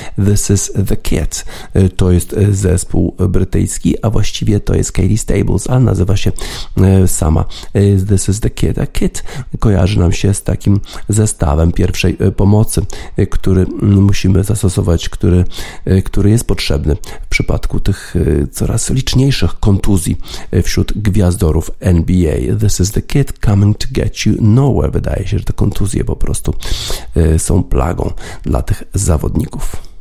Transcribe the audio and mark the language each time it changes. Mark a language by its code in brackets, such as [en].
[pl] This is the Kid. To jest zespół brytyjski, a właściwie to jest Katie Stables, a nazywa się sama This is the Kid. A Kid kojarzy nam się z takim zestawem pierwszej pomocy, który musimy zastosować, który jest potrzebny w przypadku tych coraz liczniejszych kontuzji wśród gwiazdorów NBA. [en] This is the Kid coming to get you nowhere. [pl] Wydaje się, że te kontuzje po prostu są plagą dla tych zawodników.